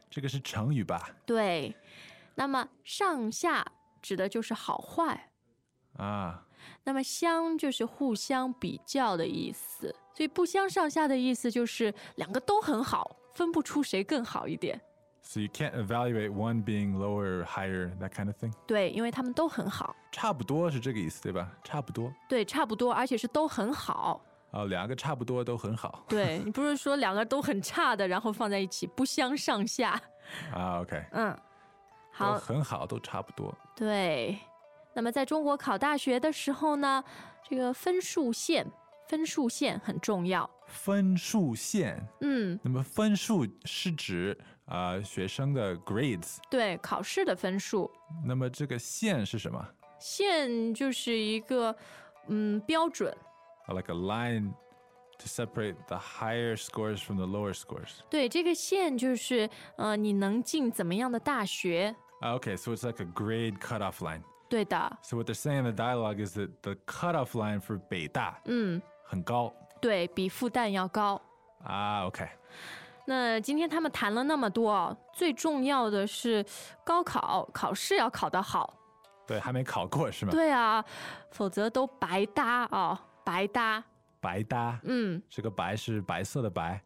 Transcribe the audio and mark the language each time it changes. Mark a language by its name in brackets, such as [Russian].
[Chinese] 这个是成语吧？对。那么上下指的就是好坏。那么相就是互相比较的意思，所以不相上下的意思就是两个都很好，分不出谁更好一点。 [English] So you can't evaluate one being lower or higher, that kind of thing? [Chinese] 对，因为他们都很好。差不多是这个意思，对吧？差不多。对，差不多，而且是都很好。哦，两个差不多都很好。对，你不是说两个都很差的，然后放在一起，不相上下。啊，OK。嗯，好。都很好，都差不多。对。那么在中国考大学的时候呢，这个分数线，分数线很重要。分数线。嗯。那么分数是指学生的 grades，对，考试的分数。那么这个线是什么？线就是一个标准。 [English] Like a line to separate the higher scores from the lower scores. [Chinese] 对，这个线就是你能进怎么样的大学。 [English] Okay, so it's like a grade cutoff line. [Chinese] 对的。 [English] So what they're saying in the dialogue is that the cutoff line for [Chinese] 北大很高。对，比复旦要高。 [English] Okay. [Chinese] 那今天他们谈了那么多，最重要的是高考考试要考得好。对，还没考过是吗？对啊，否则都白搭哦，白搭。白搭。嗯，这个白是白色的白。